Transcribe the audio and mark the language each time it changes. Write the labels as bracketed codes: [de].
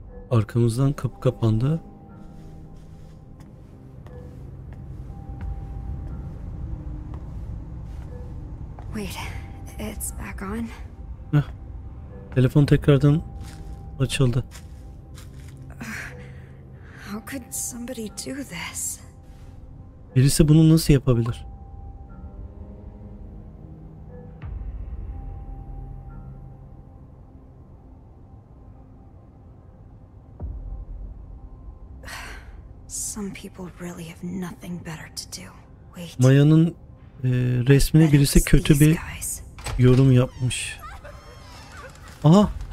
[tr] Arkamızdan kapı kapandı. [en] Wait, it's back on. [tr] Telefon tekrardan açıldı. [en] How could somebody do this? [tr] Birisi bunu nasıl yapabilir? [en] Some people really have nothing better to do. Wait. [tr] Maya'nın resmine birisi kötü bir yorum yapmış. Aha.